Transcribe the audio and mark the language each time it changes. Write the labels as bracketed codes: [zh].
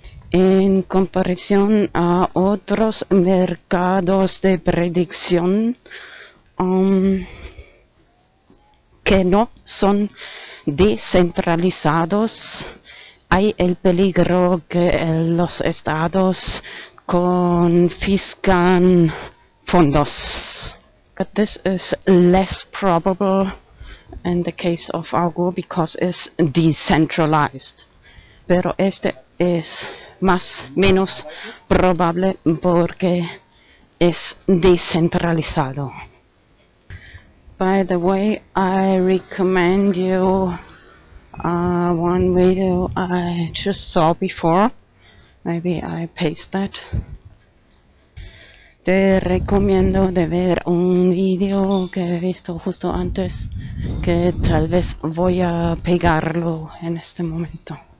[es] En comparación a otros mercados de predicción que no son descentralizados, hay el peligro que los estados confiscan fondos. [en] But this is less probable in the case of Augur because it's decentralized. [es] Pero este es más menos probable porque es descentralizado. [en] By the way, I recommend you one video I just saw before. Maybe I paste that. [es] Te recomiendo de ver un video que he visto justo antes, que tal vez voy a pegarlo en este momento.